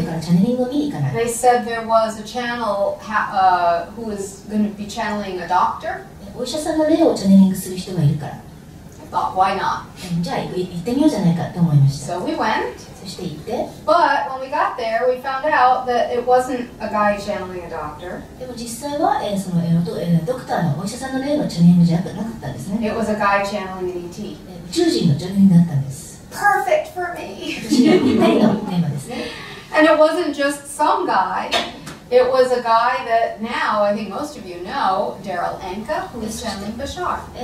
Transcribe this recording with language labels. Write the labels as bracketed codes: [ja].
[en] They said there was a channel who was going to be channeling a doctor. [ja] お医者さんの霊をチャネリングする人がいるから。 [en] I thought, why not? [ja] じゃあ行ってみようじゃないかと思いました。 [en] So we went. [ja] そして行って。 [en] But when we got there, we found out that it wasn't a guy channeling a doctor. [ja] でも実際は、ドクターのお医者さんの霊のチャネリングじゃなかったんですね。 [en] It was a guy channeling an ET. [ja] 宇宙人のチャネリングだったんです。 [en] Perfect for me! [ja] 私のぴったりのテーマですね。 [en] And it wasn't just some guy. It was a guy that now, I think most of you know, Daryl Anka, who is channeling Bashar.